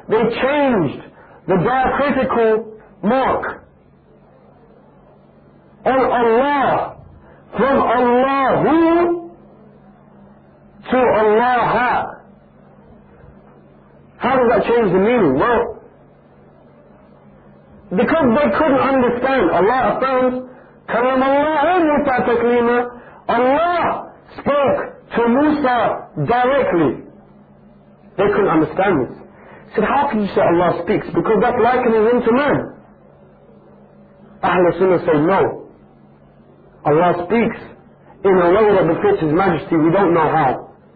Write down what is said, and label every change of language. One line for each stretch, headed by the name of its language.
English: They changed the diacritical mark on Allah from Allahu to Allaha. How does that change the meaning? Well, because they couldn't understand. Allah affirms,
Arabic: كَلَمَ اللَّهُ مُوسَى تَكْلِيمًا.
English: Allah spoke to Musa directly. They couldn't understand this. He said, how can you say Allah speaks? Because that likening him to man. Ahlul Sunnah say, no. Allah speaks in a way that befits His Majesty. We don't know how.